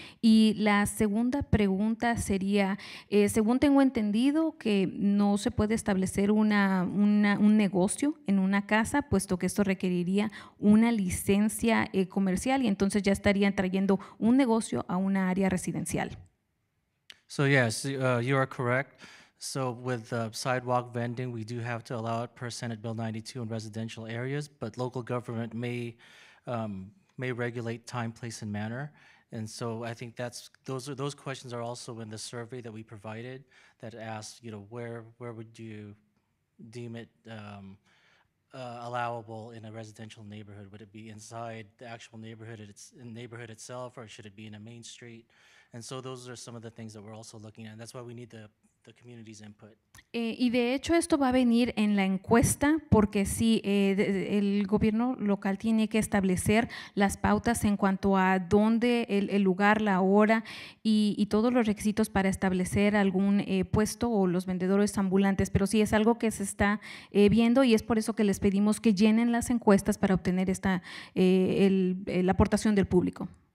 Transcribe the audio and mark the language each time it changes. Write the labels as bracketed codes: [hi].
[es] Y la segunda pregunta sería, según tengo entendido que no se puede establecer un negocio en una casa, puesto que esto requeriría una licencia comercial y entonces ya estarían trayendo un negocio a una área residencial. [en] So yes, you are correct. So with sidewalk vending, we do have to allow it per Senate Bill 92 in residential areas, but local government may regulate time, place, and manner. And so I think those questions are also in the survey that we provided that asked, where would you deem it allowable in a residential neighborhood? Would it be inside the actual neighborhood, neighborhood itself, or should it be in a main street? And so those are some of the things that we're also looking at. And that's why we need the community's input. [es] Y de hecho esto va a venir en la encuesta porque sí, el gobierno local tiene que establecer las pautas en cuanto a dónde, el lugar, la hora y todos los requisitos para establecer algún puesto o los vendedores ambulantes, pero sí es algo que se está viendo y es por eso que les pedimos que llenen las encuestas para obtener esta la aportación del público.